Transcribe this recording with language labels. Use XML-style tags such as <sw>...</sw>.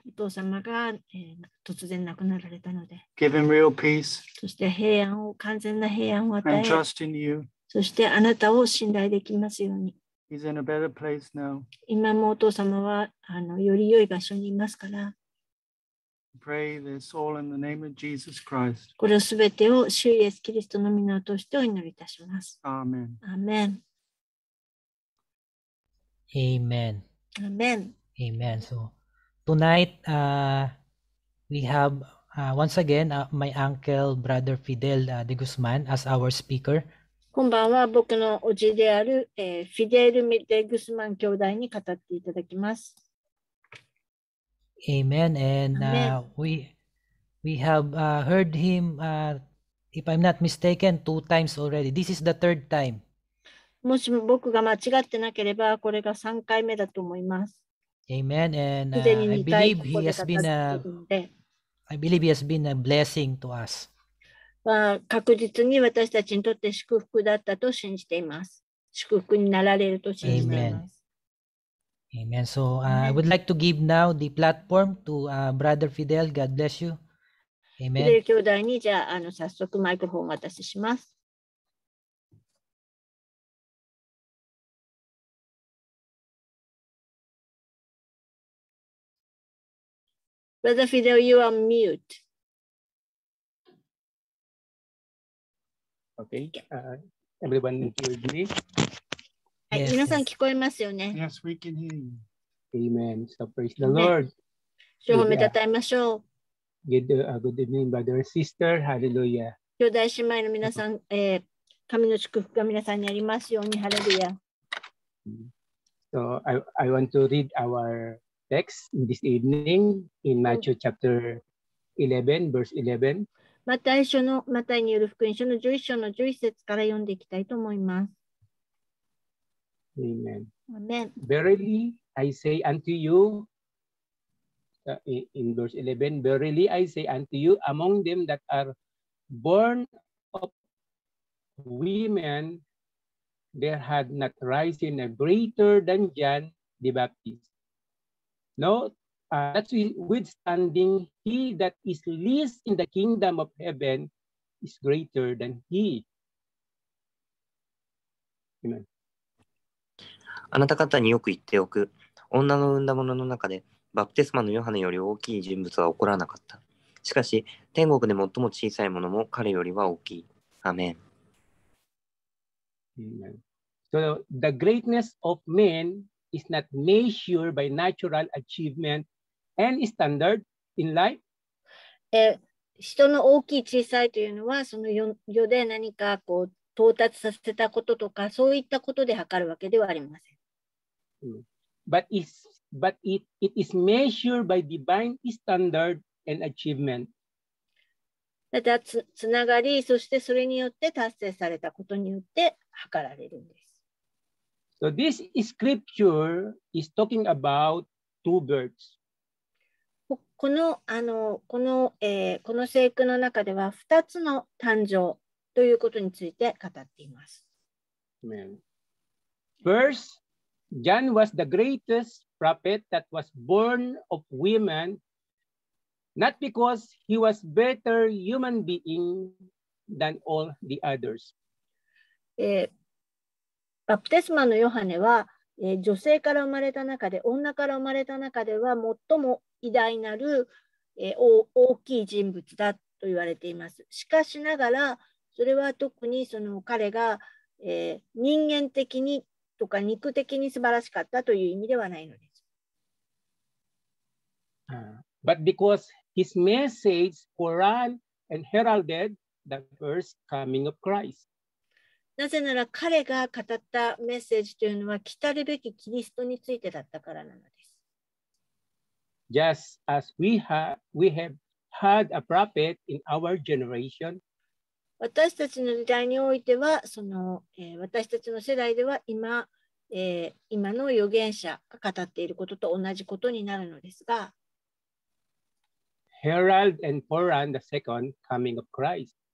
<ja>お父様が、突然亡くなられたので。</ja> <en>Give him real peace.</en> <ja>そして平安を、完全な平安を与え。</ja> <en>And trust in you.</en> <ja>そしてあなたを信頼できますように。</ja> <en>He's in a better place now.</en> <ja>今もお父様は、より良い場所にいますから。</ja> <en>Pray this all in the name of Jesus Christ.</en> <ja>これすべてを主イエスキリストの名を通してお祈りいたします。</ja> <en>Amen. Amen. Amen. Amen. Amen. So tonight, we have once again my uncle, Brother Fidel de Guzman, as our speaker.</en> <ja>こんばんは、僕のおじである、フィデル・デ・グスマン兄弟に語っていただきます。</ja> <en>Amen. And we have heard him, if I'm not mistaken, two times already. This is the third time.</en> <ja>もしも僕が間違ってなければこれが3回目だと思います。</ja> <en>Amen. And I believe he has been a blessing to us.</en> <ja>確実に私たちにとって祝福だったと信じています。祝福になられると信じています。</ja> <en>Amen. Amen. So I would like to give now the platform to Brother Fidel. God bless you. Amen.</en> <ja>フィデル兄弟にじゃあ、早速マイクロフォンをお渡しします。</ja> <en>Brother Fidel, you are mute. Okay. Everyone hears me? Yes.</en> <ja>皆さん聞こえますよね?</ja> <en>Yes, we can hear you. Amen. So praise the Lord.</en> <ja>主を褒めたたえましょう。</ja> <en>Good evening, brother and sister. Hallelujah.</en> <ja>兄弟姉妹の皆さん、神の祝福が皆さんにありますように。</ja> <en>Hallelujah. So I want to read our... text in this evening in Matthew chapter 11, verse 11.</en> <ja>マタイによる福音書の11章の11節から読んでいきたいと思います。</ja> <en>Amen. Amen. Verily I say unto you, in verse 11, verily I say unto you, among them that are born of women, there had not risen a greater than John the Baptist. No, notwithstanding, he that is least in the kingdom of heaven is greater than he. Amen.</en> <ja>あなた方によく言っておく。女の産んだ者の中で、バプテスマのヨハネより大きい人物は起こらなかった。しかし、天国で最も小さい者も彼よりは大きい。アメン。</ja> <en>Amen. So the greatness of men... is not measured by natural achievement and standard in life.</en> <ja>人の大きい小さいというのはその世で何かこう到達させたこととかそういったことで測るわけではありません。</ja> <en>But it is measured by divine standard and achievement.</en> <ja>つながり、そしてそれによって達成されたことによって測られるんです。</ja> <en>So this scripture is talking about two birds.</en> <ja>この、この、この聖句の中では2つの誕生ということについて語っています。</ja> <en>First, John was the greatest prophet that was born of women, not because he was better human being than all the others.</en> <ja>バプテスマのヨハネは、女性から生まれた中で、女から生まれた中では最も偉大なる、大きい人物だと言われています。しかしながら、それは特にその彼が、人間的にとか肉的に素晴らしかったという意味ではないのです。</ja> <en>But because his message foran and heralded the first coming of Christ.</en> <ja>なぜなら彼が語ったメッセージというのは来たるべきキリストについてだったからなのです。</ja> <en>Just as we have had a prophet in our generation,</en> <ja>私たちの時代においてはその、私たちの世代では 今の預言者が語っていることと同じことになるのですが、</ja> <en>Herald and foreign the second coming of Christ.</en>